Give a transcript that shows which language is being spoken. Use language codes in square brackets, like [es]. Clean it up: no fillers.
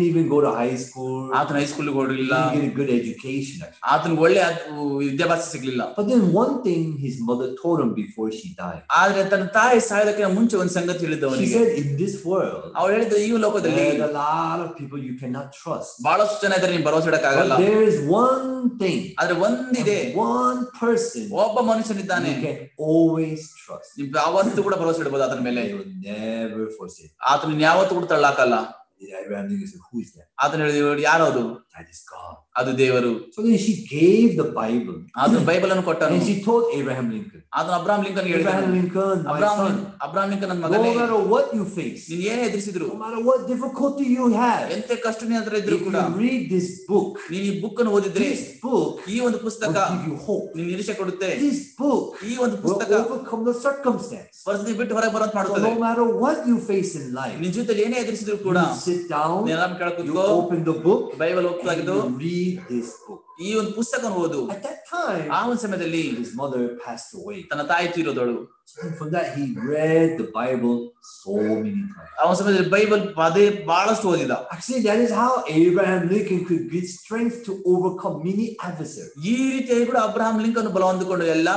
[en] he didn't even go to high school, [kn] ಆತನ high school ಹೋಗಲಿಲ್ಲ, [en] he didn't get a good education, [kn] ಆತನಿಗೆ ಒಳ್ಳೆ ವಿದ್ಯಾಭ್ಯಾಸ ಸಿಗ್ಲಿಲ್ಲ. [en] But then one thing his mother told him before she died, [kn] ಆದ್ರೆ ತನ್ನ ತಾಯಿ ಸಾಯೋದಕ್ಕಿಂತ ಮುಂಚೆ ಒಂದು ಸಂಗತಿ ಹೇಳಿದ್ದು ಅವನಿಗೆ, [en] in this world, [kn] ಅವ್ರು ಹೇಳಿದ್ರು ಈ ಲೋಕದಲ್ಲಿ, [en] a lot of people you cannot trust, [kn] ಬಹಳಷ್ಟು ಜನ ಇದ್ದಾರೆ ನೀನು ಭರವಸೆ ಇಡಕ್ಕಾಗಲ್ಲ, [en] there is one thing, [kn] ಆದ್ರೆ ಒಂದಿದೆ, [en] one person, [kn] ಒಬ್ಬ ಮನುಷ್ಯನಿದ್ದಾನೆ, [en] you can always trust, [kn] ನೀವು ಯಾವತ್ತೂ ಕೂಡ ಭರವಸೆ ಇಡಬಹುದು ಅದರ ಮೇಲೆ, [en] you will never force it, [kn] ಆತನ ಯಾವತ್ತೂ ಕೂಡ ತಳ್ಳಾಕಲ್ಲ. [en] Abraham Lincoln said, who is that? [kn] ಆತನ ಹೇಳಿದ ಯಾರದು, [en] that is God, [kn] ಅದು ದೇವರು. [en] So then she gave the Bible, [kn] ಆತನ ಬೈಬಲ್ ಅನ್ನು ಕೊಟ್ಟನು, [en] and she told Abraham Lincoln, [kn] ಆತನ ಅಬ್ರಹಾಮ್ ಲಿಂಕನ್ ಹೇಳಿದ, [en] Abraham Lincoln, Abraham son, [kn] Abraham Lincoln ನನ್ನ ಮಗನೇ, [en] no matter what you face, [kn] ನೀನು ಏನೇ ಎದುರಿಸಿದ್ರು, [en] no matter what difficulty you have, [kn] ಎಂತೆ ಕಷ್ಟ ನಿಂತರ ಇದ್ರೂ ಕೂಡ, [en] you read this book, [kn] ನೀನು ಈ ಬುಕ್ ಅನ್ನು ಓದಿದ್ರೆ, [en] this book, [kn] ಈ ಒಂದು ಪುಸ್ತಕ, [en] will give you hope, [kn] ನಿನ್ನ ನಿರೀಕ್ಷೆ ಕೊಡುತ್ತೆ, [en] this book, [kn] ಈ ಒಂದು ಪುಸ್ತಕ, [en] will overcome the circumstances, [kn] ಪರಿಸ್ಥಿತಿ ಬಿಟ್ಟು ಹೊರಗೆ ಬರೋದು ಮಾಡುತ್ತದೆ, [en] no matter what you face in life, [kn] ನಿನ್ನ ಜೊತೆ ಏನೇ ಎದುರಿಸಿದ್ರೂ ಕೂಡ, [en] sit down, [kn] ನೀನು ಆರಾಮ ಕೇಳ್ಕೊಂಡು, [en] you open the book, [kn] Bible open ಆಗಿದ್ದು, [en] read this book, [kn] ಈ ಒಂದು ಪುಸ್ತಕ ಓದು. [en] At that time, [kn] ಆ ಒಂದು ಸಮಯದಲ್ಲಿ, [en] his mother passed away, [kn] ತನ್ನ ತಾಯಿ ತೀರೋದಳು. [en] From that, he read the Bible so many times. [kn] ಆ ಒಂದು ಸಮಯದಲ್ಲಿ ಬೈಬಲ್ ಅದೇ ಬಹಳಷ್ಟು ಓದಿದ. [en] Actually, that is how Abraham Lincoln could get strength to overcome many adversaries. [kn] ಈ ರೀತಿಯಾಗಿ ಕೂಡ ಅಬ್ರಹಾಮ್ ಲಿಂಕನ್ ಬಲವಂತಕೊಂಡು ಎಲ್ಲಾ